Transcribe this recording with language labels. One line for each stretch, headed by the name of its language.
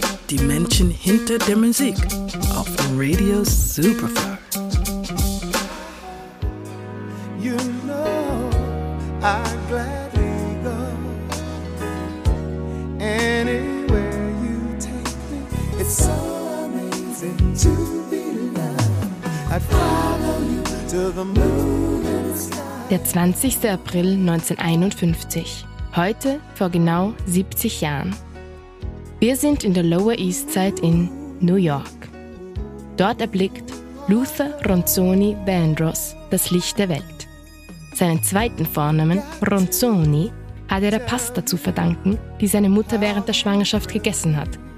German: Die Menschen hinter der Musik auf Radio Superfly.
English: You know, I'd gladly go anywhere you take me. It's so amazing to be alive. I'd follow you to the moon and the sky.
German: Der 20. April 1951, heute vor genau 70 Jahren. Wir sind in der Lower East Side in New York. Dort erblickt Luther Ronzoni Vandross das Licht der Welt. Seinen zweiten Vornamen, Ronzoni, hat er der Pasta zu verdanken, die seine Mutter während der Schwangerschaft gegessen hat.